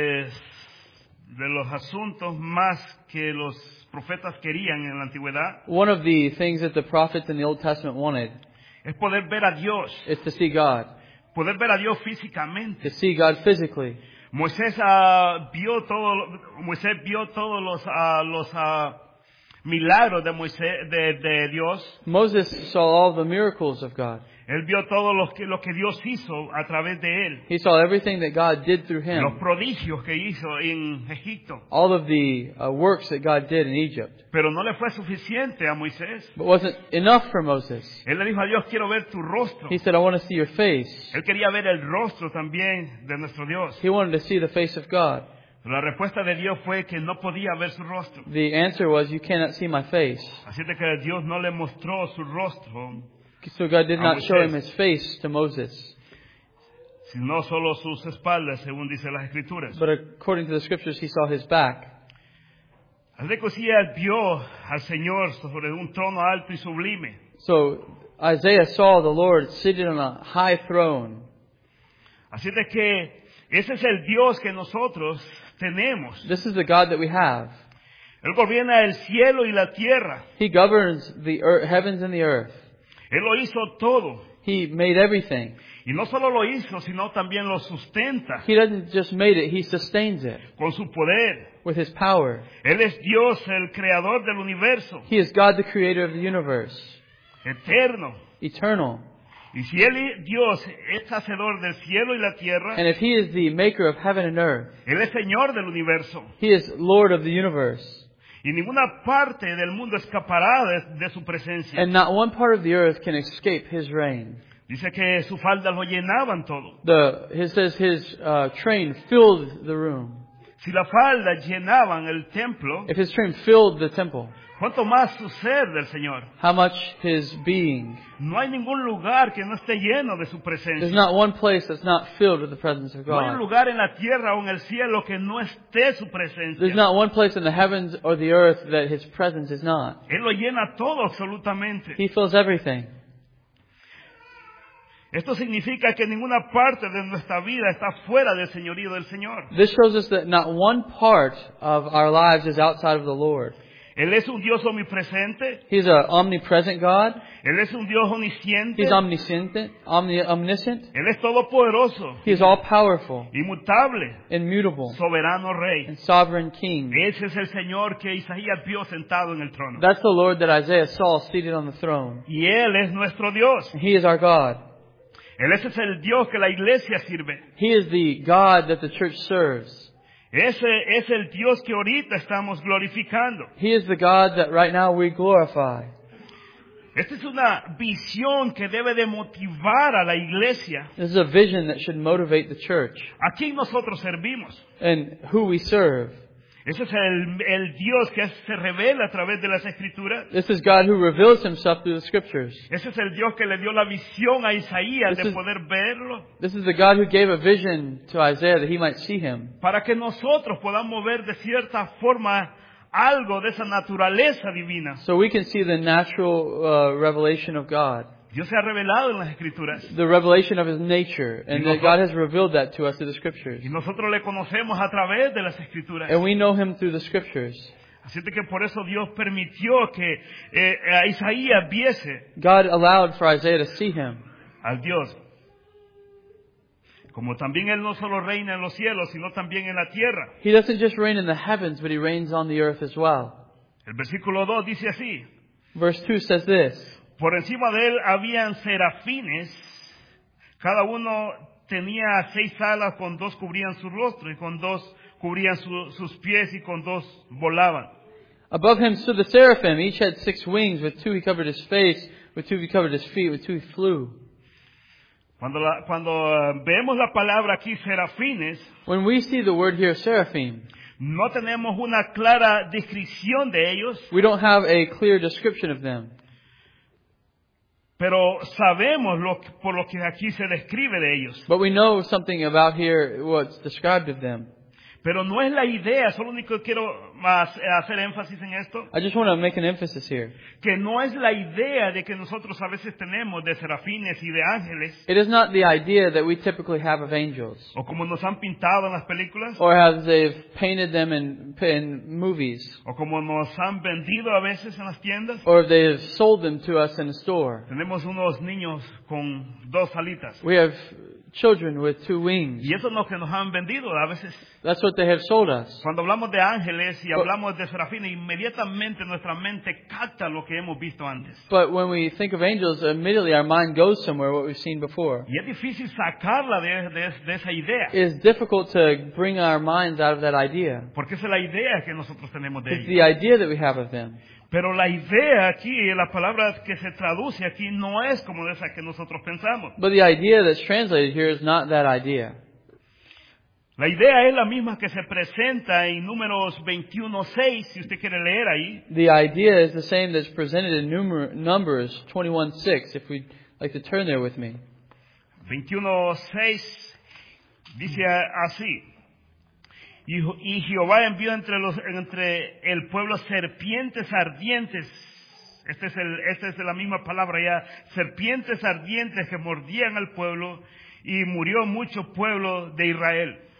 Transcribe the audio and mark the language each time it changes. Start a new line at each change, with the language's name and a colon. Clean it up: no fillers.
Spanish: Una de los asuntos más que los profetas querían en la antigüedad.
English: One of the things that the prophets in the Old Testament wanted.
Spanish: Es poder ver a Dios.
English: Is to see God.
Spanish: Poder ver a Dios físicamente.
English: To see God physically.
Spanish: Moisés vio todos los milagros de Moisés de Dios.
English: Moses saw all the miracles of God.
Spanish: Él vio todo lo que Dios hizo a través de él.
English: He saw everything that God did through him.
Spanish: Los prodigios que hizo en Egipto.
English: All of the works that God did in Egypt.
Spanish: Pero no le fue suficiente a Moisés.
English: But wasn't enough for Moses.
Spanish: Él le dijo a Dios, quiero ver tu rostro.
English: He said, I want to see your face.
Spanish: Él quería ver el rostro también de nuestro Dios.
English: He wanted to see the face of God.
Spanish: La respuesta de Dios fue que no podía ver su rostro.
English: The answer was, you cannot see my face.
Spanish: Así que Dios no le mostró su rostro.
English: So God did not show him his face to Moses.
Spanish: Sino solo sus espaldas, según dice las escrituras.
English: But according to the scriptures, he saw his back. So Isaiah saw the Lord seated on a high throne.
Spanish: Así de que ese es el Dios que nosotros tenemos.
English: This is the God that we have.
Spanish: Él gobierna el cielo y la tierra.
English: He governs the earth, heavens and the earth.
Spanish: Él lo hizo todo.
English: He made everything.
Spanish: Y no solo lo hizo, sino también lo sustenta.
English: He doesn't just made it, he sustains it.
Spanish: Con su poder.
English: With his power.
Spanish: Él es Dios, el creador del universo.
English: He is God, the creator of the universe.
Spanish: Eterno.
English: Eternal.
Spanish: Y si él, Dios, es hacedor del cielo y la tierra,
English: and if he is the maker of heaven and earth,
Spanish: él es señor del universo.
English: He is Lord of the universe.
Spanish: Y ninguna parte del mundo escapará de su presencia.
English: And not one part of the earth can escape his reign.
Spanish: Dice que su falda lo llenaban todo.
English: His train filled the room.
Spanish: Si la falda llenaban el templo,
English: if his train filled the temple,
Spanish: ¿cuánto más su ser del Señor?
English: How much his being?
Spanish: No hay ningún lugar que no esté lleno de su presencia.
English: There's not one place that's not filled with the presence of God.
Spanish: No hay lugar en la tierra o en el cielo que no esté su presencia.
English: There's not one place in the heavens or the earth that his presence is not.
Spanish: Él lo llena todo absolutamente.
English: He fills everything.
Spanish: Esto significa que ninguna parte de nuestra vida está fuera del señorío del Señor.
English: This shows us that not one part of our lives is outside of the Lord.
Spanish: Él es un Dios omnipresente.
English: He's an omnipresent God.
Spanish: Él es un Dios omnisciente.
English: He's omniscient.
Spanish: Él es todopoderoso.
English: He is all powerful.
Spanish: Inmutable.
English: Immutable.
Spanish: Soberano Rey.
English: And sovereign King.
Spanish: Ese es el Señor que Isaías vio sentado en el trono.
English: That's the Lord that Isaiah saw seated on the throne.
Spanish: Y él es nuestro Dios.
English: And he is our God.
Spanish: Él es el Dios que la iglesia sirve.
English: He is the God that the church serves.
Spanish: Ese es el Dios que ahorita estamos glorificando.
English: He is the God that right now we glorify.
Spanish: Esta es una visión que debe de motivar a la iglesia.
English: This is a vision that should motivate the church.
Spanish: ¿A quién nosotros servimos?
English: And who we serve.
Spanish: Ese es el Dios que se revela a través de las escrituras.
English: This is God who reveals himself through the scriptures.
Spanish: Ese es el Dios que le dio la visión a Isaías de poder verlo.
English: This is the God who gave a vision to Isaiah that he might see him.
Spanish: Para que nosotros podamos ver de cierta forma algo de esa naturaleza divina.
English: So we can see the natural revelation of God.
Spanish: Dios se ha revelado en las escrituras.
English: The revelation of his nature, and that God has revealed that to us through the scriptures.
Spanish: Y nosotros le conocemos a través de las escrituras.
English: And we know him through the scriptures.
Spanish: Así que por eso Dios permitió que a Isaías viese.
English: God allowed for Isaiah to see him.
Spanish: Al Dios. Como también él no solo reina en los cielos, sino también en la tierra.
English: He doesn't just reign in the heavens, but he reigns on the earth as well.
Spanish: El versículo 2 dice así.
English: Verse 2 says this.
Spanish: Por encima de él habían serafines, cada uno tenía seis alas, con dos cubrían su rostro, y con dos cubrían sus pies, y con dos volaban.
English: Above him stood the seraphim, each had six wings, with two he covered his face, with two he covered his feet, with two he flew.
Spanish: Cuando vemos la palabra aquí, serafines,
English: when we see the word here, seraphim,
Spanish: no tenemos una clara descripción de ellos,
English: we don't have a clear description of them.
Spanish: Pero sabemos por lo que aquí se describe de ellos.
English: But we know something about here, what's described of them.
Spanish: Pero no es la idea, solo único quiero hacer énfasis en esto.
English: I just want to make an emphasis here.
Spanish: Que no es la idea de que nosotros a veces tenemos de serafines y de ángeles.
English: It is not the idea that we typically have of angels.
Spanish: O como nos han pintado en las películas.
English: Or as they've painted them in movies.
Spanish: O como nos han vendido a veces en las tiendas.
English: Or they've sold them to us in a store.
Spanish: Tenemos unos niños con dos alitas.
English: We have children with two wings.
Spanish: Y eso es lo que nos han vendido a veces.
English: That's what they have sold us.
Spanish: Cuando hablamos de ángeles y hablamos de serafines, inmediatamente nuestra mente capta lo que hemos visto antes.
English: But when we think of angels, immediately our mind goes somewhere, what we've seen before.
Spanish: Y es difícil sacarla de esa idea.
English: It's difficult to bring our minds out of that idea.
Spanish: Porque es la idea que nosotros tenemos de ellos.
English: It's the idea that we have of them.
Spanish: Pero la idea aquí, la palabra que se traduce aquí, no es como esa que nosotros pensamos.
English: But the idea that's translated here is not that idea.
Spanish: La idea es la misma que se presenta en Números 21:6, si usted quiere leer ahí.
English: The idea is the same that's presented in Numbers 21:6, if we'd like to turn there with me.
Spanish: 21:6 dice así. Y Jehová envió entre el pueblo serpientes ardientes. Esta es la misma palabra ya. Serpientes ardientes que mordían al pueblo y murió mucho pueblo de Israel.